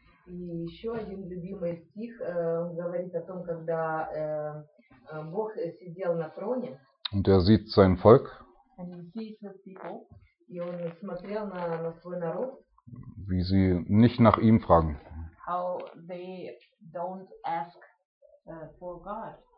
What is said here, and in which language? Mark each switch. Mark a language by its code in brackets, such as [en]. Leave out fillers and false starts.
[ru] И еще один любимый стих говорит о том, когда Бог сидел на троне. [de] Und er sieht sein Volk. [en] And he sees his people. [ru] И он смотрел на свой народ. [de] Wie sie nicht nach ihm fragen. [en] How they don't ask for God.